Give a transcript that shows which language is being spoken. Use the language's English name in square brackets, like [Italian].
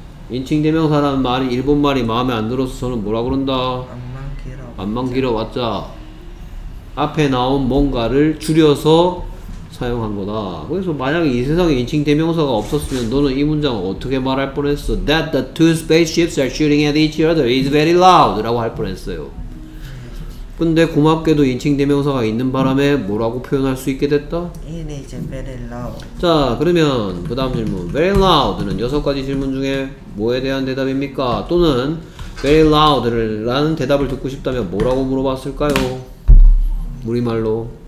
[Korean] 인칭 대명사라는 말이 일본 말이 마음에 안 들어서 저는 뭐라 그런다? 안만 길어봤자 앞에 나온 뭔가를 줄여서 사용한 거다. 그래서 만약에 이 세상에 인칭 대명사가 없었으면 너는 이 문장을 어떻게 말할 뻔했어? [English] That the two spaceships are shooting at each other is very loud [Korean] 라고 할 뻔했어요. 근데 고맙게도 인칭 대명사가 있는 바람에 뭐라고 표현할 수 있게 됐다? [English] It is very loud. [Korean] 자 그러면 그 다음 질문 very loud는 여섯 가지 질문 중에 뭐에 대한 대답입니까? 또는 very loud라는 대답을 듣고 싶다면 뭐라고 물어봤을까요? 우리말로